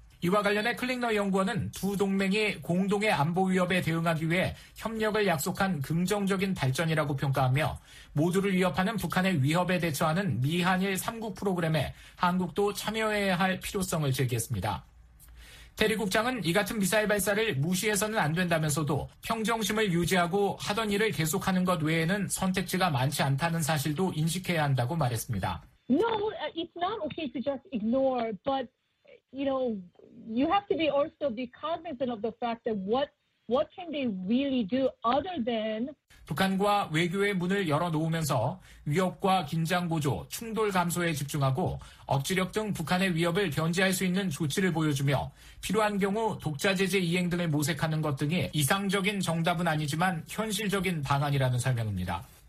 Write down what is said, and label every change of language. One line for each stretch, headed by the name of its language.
Korean: 이와 관련해 클링너 연구원은 두 동맹이 공동의 안보 위협에 대응하기 위해 협력을 약속한 긍정적인 발전이라고 평가하며 모두를 위협하는 북한의 위협에 대처하는 미한일 3국 프로그램에 한국도 참여해야 할 필요성을 제기했습니다. 테리 국장은 이 같은 미사일 발사를 무시해서는 안 된다면서도 평정심을 유지하고 하던 일을 계속하는 것 외에는 선택지가 많지 않다는 사실도 인식해야 한다고 말했습니다.
English: No, it's not okay to just ignore, but you know, you have to be also be cognizant of the fact that what can they really do other than
Korean: 북한과 외교의 문을 열어놓으면서 위협과 긴장 고조, 충돌 감소에 집중하고 억지력 등 북한의 위협을 견제할 수 있는 조치를 보여주며 필요한 경우 독자 제재 이행 등을 모색하는 것 등이 이상적인 정답은 아니지만 현실적인 방안이라는 설명입니다.